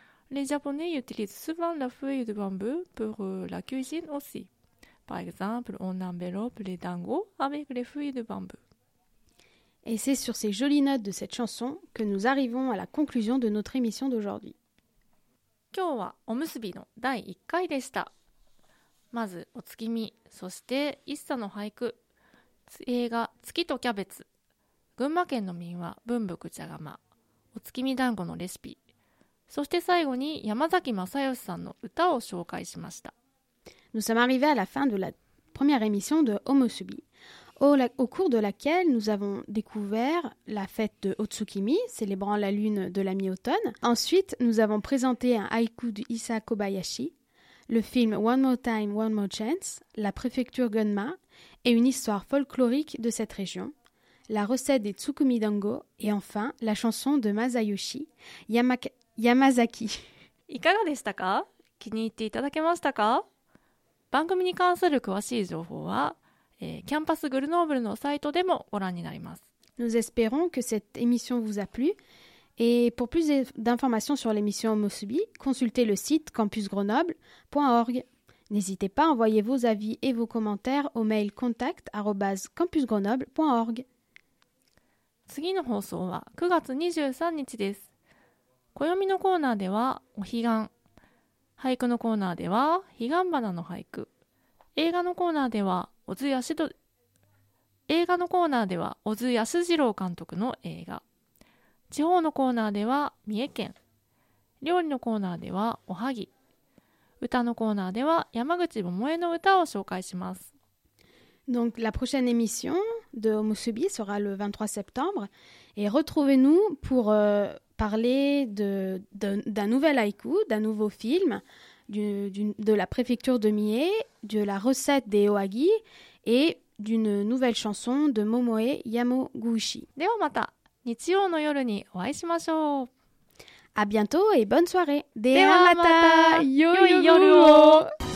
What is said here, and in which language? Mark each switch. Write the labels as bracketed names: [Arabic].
[French] Les Japonais utilisent souvent la feuille de bambou pour la cuisine aussi. Par exemple, on enveloppe les dango avec les feuilles de bambou. Et c'est sur ces jolies notes de cette chanson que nous arrivons à la conclusion de notre émission d'aujourd'hui. [Japanese] 今日はおむすびの第1回でした。まずお月見、そして一茶の俳句、映画月とキャベツ、群馬県の民話文福茶釜、お月見団子のレシピ、そして最後に山崎まさよしさんの歌を紹介しました。 [French] Nous sommes arrivés à la fin de la première émission de おむすび。 Au cours de laquelle nous avons découvert la fête de Otsukimi, célébrant la lune de la mi-automne. Ensuite, nous avons présenté un haïku de Issa Kobayashi, le film One More Time, One More Chance, la préfecture Gunma, et une histoire folklorique de cette région, la recette des Tsukumi Dango, et enfin, la chanson de Masayoshi, Yamazaki. [Japanese] Ikaga deshita ka? Kinitte itadakemashita ka? Bankumi ni kansuru kuwashii zoufou wa... キャンパスグルノーブルのサイトでもご覧になります。 [French] Nous espérons que cette émission vous a plu. Et pour plus d'informations sur l'émission Omusubi, consultez le site campusgrenoble.org. N'hésitez pas à envoyer vos avis et vos commentaires au mail contact@campusgrenoble.org. [Japanese] 次の放送は9月23日です。暦のコーナーではお彼岸。俳句のコーナーでは彼岸花の俳句。映画のコーナーでは映画のコーナーでは小津安二郎監督の映画、地方のコーナーでは三重県、料理のコーナーではおはぎ、歌のコーナーでは山口百恵の歌を紹介します。 [French] Donc la prochaine émission de Omusubi sera le 23 septembre et retrouvez-nous pour parler d'un nouvel haïku, d'un nouveau film. De la préfecture de Mie, de la recette des Oagi et d'une nouvelle chanson de Momoe Yamaguchi. [Japanese] ではまた日曜の夜にお会いしましょう。 [French] À bientôt et bonne soirée. [Japanese] ではまた良い夜を。